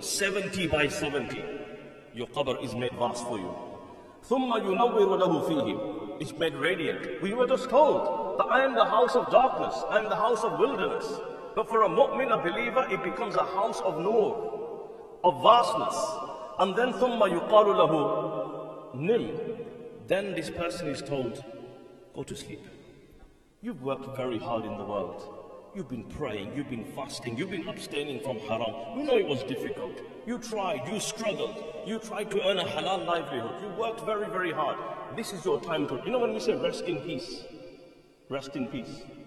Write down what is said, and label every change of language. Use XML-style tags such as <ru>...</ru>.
<en>70 by 70. Your qabr is made vast for you.</en> <ar>ثُمَّ يُنَوِّرُ لَهُ فِيهِ.</ar> <en>It's made radiant. We were just told that I am the house of darkness, I am the house of wilderness. But for a mu'min, a believer, it becomes a house of nur, of vastness. And then</en> <ar>ثُمَّ يُقَالُ لَهُ نِلْ.</ar> <en>Then this person is told, go to sleep. You've worked very hard in the world. You've been praying, you've been fasting, you've been abstaining from haram. We know it was difficult. You tried, you struggled, you tried to earn a halal livelihood. You worked very, very hard. This is your time to, you know when we say rest in peace? Rest in peace.</en>